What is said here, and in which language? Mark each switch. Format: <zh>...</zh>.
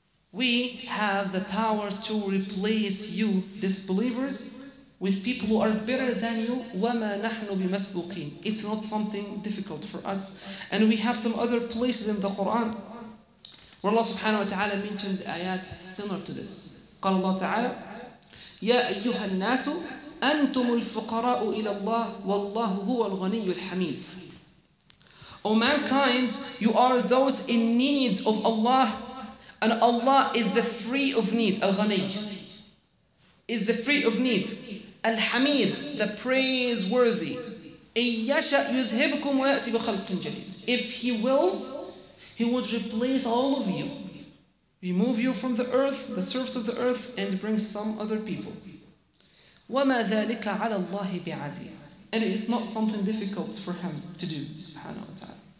<en>We have the power to replace you, disbelievers, with people who are better than you.</en> <ar>وَمَا نَحْنُ بِمَسْبُوقِينَ.</ar> <en>It's not something difficult for us. And we have some other places in the Quran where Allah subhanahu wa ta'ala mentions ayat similar to this.</en> <ar>قال الله تعالى, يا أيها الناس أنتم الفقراء إلى الله والله هو الغني الحميد.</ar> <en>O mankind, you are those in need of Allah, and Allah is the free of need. Al-Ghani is the free of need. Al-Hamid, the praiseworthy.</en> <ar>إن يشأ يذهبكم ويأتي بخلق جديد.</ar> <en>If He wills, He would replace all of you, remove you from the earth, the surface of the earth, and bring some other people.</en> <ar>وَمَا ذَلِكَ عَلَى اللَّهِ بِعَزِيزِ.</ar> <en>And it is not something difficult for him to do, subhanahu wa ta'ala.</en>